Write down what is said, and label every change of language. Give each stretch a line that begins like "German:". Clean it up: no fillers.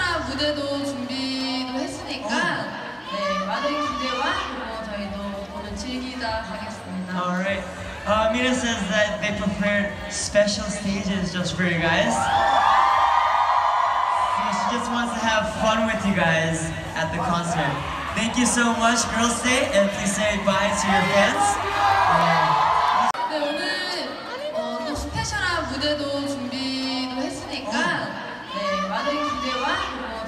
Korean: 무대도 준비도 했으니까 네, 많은 기대와 저희도 오늘 즐기다 가겠습니다.
English: Alright, Mina says that they prepared special stages just for you guys. So she just wants to have fun with you guys at the concert. Thank you so much, Girls Day, and please say bye to your fans.
Korean: 네, 오늘 또 스페셜한 무대도 준비도 했으니까 네, 많은 기대와